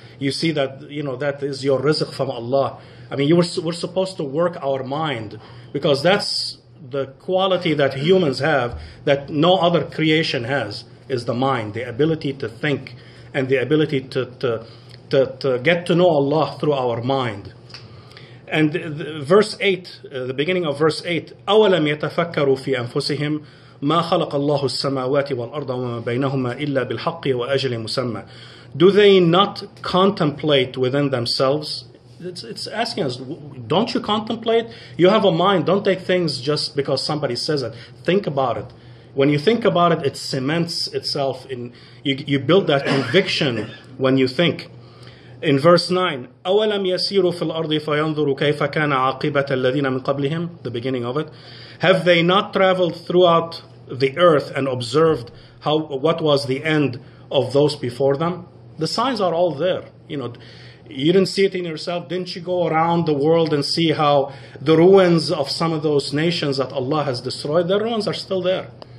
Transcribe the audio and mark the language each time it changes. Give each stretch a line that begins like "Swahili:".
English: You see that, that is your rizq from Allah. I mean, we're supposed to work our mind, because that's the quality that humans have that no other creation has, is the mind, the ability to think and the ability to get to know Allah through our mind. And the beginning of verse 8,
Arabic: أَوَلَمْ يَتَفَكَّرُوا فِي أَنفُسِهِمْ مَا خَلَقَ اللَّهُ السَّمَاوَاتِ وَالْأَرْضَ وَمَا بَيْنَهُمَا إِلَّا بِالْحَقِّ وَأَجْلٍ مُسَمَّى.
English: Do they not contemplate within themselves? It's asking us, don't you contemplate? You have a mind, don't take things just because somebody says it. Think about it. When you think about it, it cements itself in, you build that conviction when you think. In verse 9,
Arabic: أَوَلَمْ يَسِيرُوا فِي الْأَرْضِ فَيَنْظُرُوا كَيْفَ كَانَ عَقِبَةَ الَّذِينَ مِنْ قَبْلِهِمْ,
English: the beginning of it. Have they not traveled throughout the earth and observed what was the end of those before them? The signs are all there. You didn't see it in yourself. Didn't you go around the world and see how the ruins of some of those nations that Allah has destroyed, their ruins are still there.